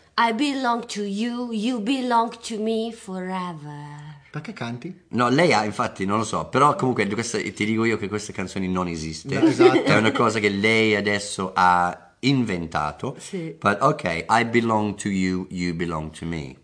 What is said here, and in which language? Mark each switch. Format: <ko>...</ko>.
<en>I belong to you, you belong to me forever.</en> <it>Perché canti? No, lei ha, infatti, non lo so, però comunque questa, ti dico io che queste canzoni non esiste. No, esatto. È una cosa che lei adesso ha inventato. Sì.</it> <en>But okay, I belong to you, you belong to me.</en>